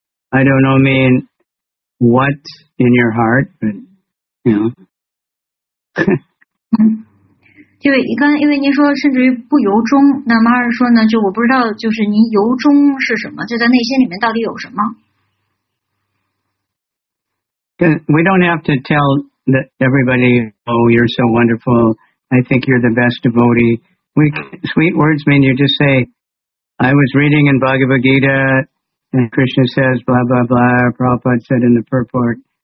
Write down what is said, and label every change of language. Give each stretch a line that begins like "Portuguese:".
English: I don't know mean what in your heart, but, you know.
Chinese: 因为您说甚至于不由衷，那马尔说呢，就我不知道，就是您由衷是什么，就在内心里面到底有什么。
English: We don't have to tell everybody, oh, you're so wonderful, I think you're the best devotee. Sweet words mean you just say, I was reading in Bhagavad Gita, and Krishna says, blah, blah, blah, Prabhupada said in the purport.